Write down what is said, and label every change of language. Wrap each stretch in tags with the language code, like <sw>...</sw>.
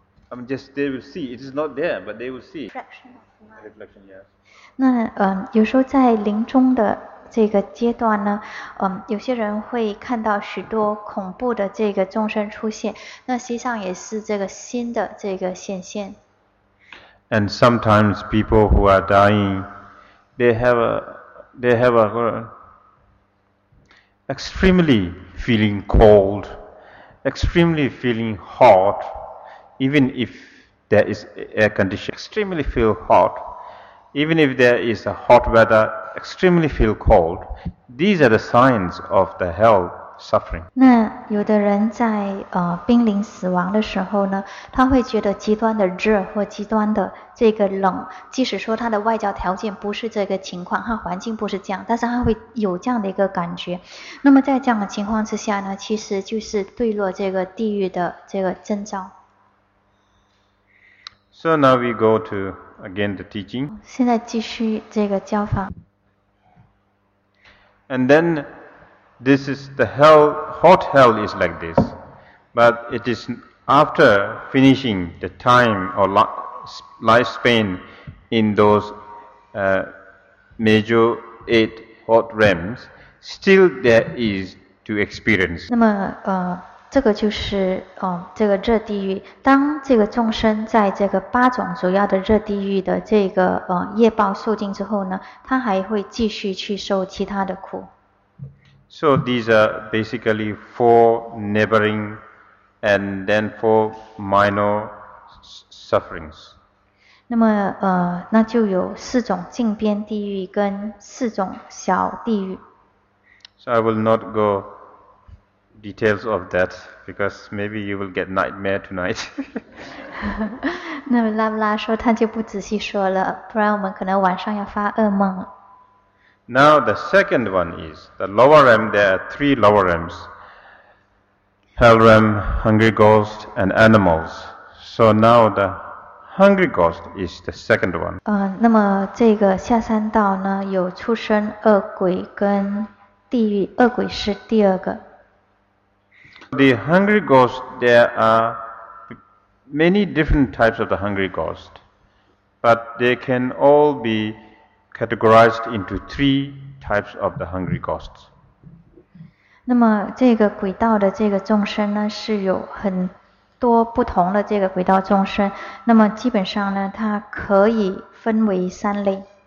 <en>I mean, just they will see. It is not there, but they will see. Reflection, yes.</en> <zh>那有时候在临终的这个阶段呢，有些人会看到许多恐怖的这个众生出现，那实际上也是这个新的这个显现。</zh> <en>And sometimes people who are dying, they have extremely feeling cold, extremely feeling hot, even if there is air condition, extremely feel hot, even if there is a hot weather. Extremely feel cold. These are the signs of the hell suffering.</en> <zh>那有的人在濒临死亡的时候呢，他会觉得极端的热或极端的这个冷，即使说他的外交条件不是这个情况，他环境不是这样，但是他会有这样的一个感觉。那么在这样的情况之下呢，其实就是坠落这个地狱的这个征兆。</zh> <en>So now we go to again the teaching.</en> <zh>现在继续这个教法。</zh> <en>And then this is the hell, hot hell is like this. But it is after finishing the time or lifespan in those major eight hot realms, still there is to experience.</en> <zh>那么这个就是这个热地狱，当这个众生在这个八种主要的热地狱的这个业报受尽之后呢，他还会继续去受其他的苦。</zh> <en>So these are basically four neighboring and then four minor sufferings.</en> <zh>那么那就有四种近边地狱跟四种小地狱。</zh> <en>So I will not go details of that because maybe you will get nightmare tonight.</en> <zh>那么拉布拉说他就不仔细说了，不然我们可能晚上要发噩梦。</zh> <en>Now the second one is the lower realm. There are three lower realms: hell realm, hungry ghost, and animals. So now the hungry ghost is the second one.</en> <zh>那么这个下三道呢，有畜生、恶鬼跟地狱，恶鬼是第二个。</zh> <en>The hungry ghost. There are many different types of the hungry ghost, but they can all be categorized into three types of the hungry ghosts.</en> <zh>那么这个鬼道的这个众生呢，是有很多不同的这个鬼道众生。那么基本上呢，它可以分为三类。</zh>